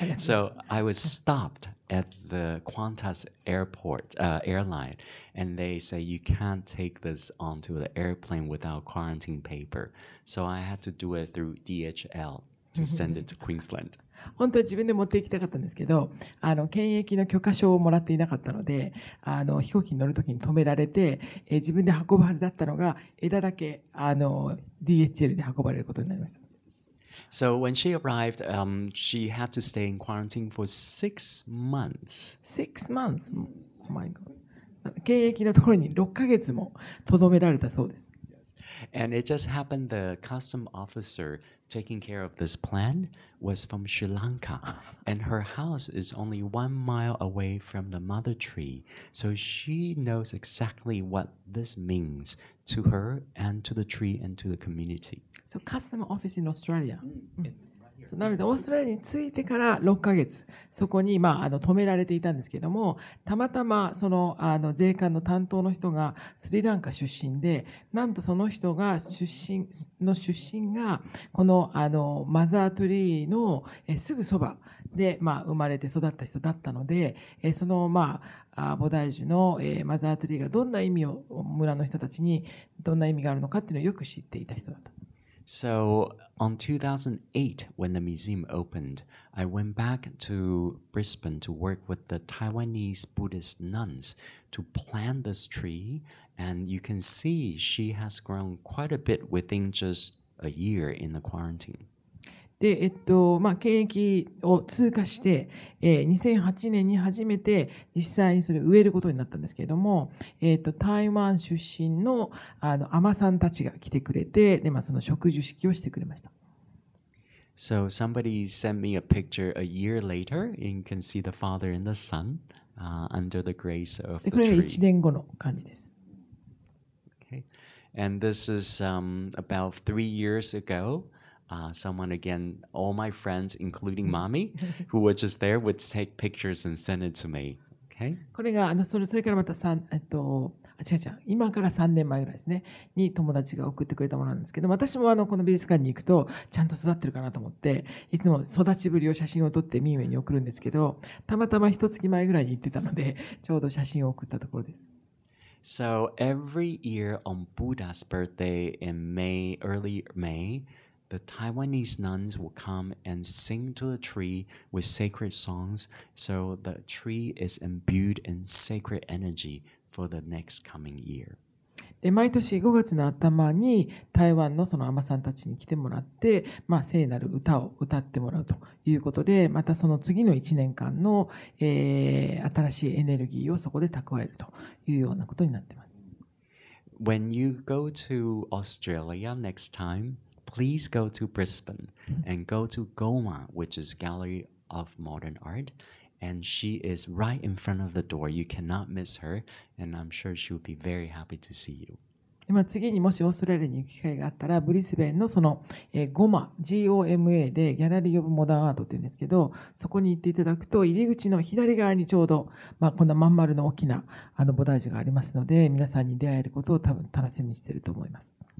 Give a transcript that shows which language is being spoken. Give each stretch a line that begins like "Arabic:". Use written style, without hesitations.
English: So I was stopped at the Qantas airport, airline, and they say you can't take this onto the airplane without quarantine paper. So I had to do it through DHL to send it to Queensland.
Japanese: 本当は自分で持って行きたかったんですけど、あの検疫の許可証をもらっていなかったので、あの飛行機に乗るときに止められて、自分で運ぶはずだったのが枝だけあの DHL で運ばれることになりました。
English: So when she arrived, she had to stay in quarantine for 6 months. 6 months? Oh my god.
Japanese: 検疫のところに6ヶ月も留められたそうです。
English: And it just happened the custom officer taking care of this plan was from Sri Lanka, and her house is only 1 mile away from the mother tree, so she knows exactly what this means to her and to the tree and to the community. So custom office in Australia.
Japanese: So なのでオーストラリアに着いてから6ヶ月そこにまああの止められていたんですけども、たまたまそのあの税関の担当の人がスリランカ出身で、なんとその人が出身の出身がこのあのマザートリーのすぐそばでまあ生まれて育った人だったので、そのまあ菩提樹のマザートリーがどんな意味を村の人たちにどんな意味があるのかっていうのをよく知っていた人だった。
English: So on 2008, when the museum opened, I went back to Brisbane to work with the Taiwanese Buddhist nuns to plant this tree. And you can see she has grown quite a bit within just a year in the quarantine.
Japanese: で、まあ、検疫を通過して、2008年に初めて実際にそれを植えることになったんですけれども、台湾出身の、あの、海女さんたちが来てくれて、で、まあ、その植樹式をしてくれました。
English: So somebody sent me a picture a year later, you can see the father and the son, under the grace of the tree.
Japanese: これが1年後の感じです。
English: Okay. And this is, about 3 years ago. Someone again, all my friends, including Mami, who was just there, would take pictures and send it to me. Okay.
Japanese: これがあのそれからまた三違う今から3年前ぐらいですねに友達が送ってくれたものなんですけど、私もあのこの美術館に行くとちゃんと育ってるかなと思っていつも育ちぶりを写真を撮ってミンウェイに送るんですけど、たまたま一月前ぐらいに行ってたのでちょうど写真を送ったところです。
English: So every year on Buddha's birthday in May, early May. The Taiwanese nuns will come and sing to the tree with sacred songs, so the tree is imbued in sacred energy for the next coming year.
Japanese: で、毎年5月の頭に台湾のその海女さんたちに来てもらって、まあ、聖なる歌を歌ってもらうということで、またその次の1年間の、新しいエネルギーをそこで蓄えるというようなことになっています。
English: When you go to Australia next time,Please go to Brisbane and go to Goma, which is Gallery of Modern Art. And she is right in front of the door. You cannot miss her. And I'm sure she will be very happy to see you.
Japanese: でまあ、次にもしオーストラリアに行く機会があったら、ブリスベンのその、GOMA、G-O-M-A でギャラリー・オブ・モダン・アートって言うんですけど、そこに行っていただくと、入り口の左側にちょうど、まあ、こんなまん丸の大きなあの菩提樹がありますので、皆さんに出会えることを多分楽しみにしていると思います。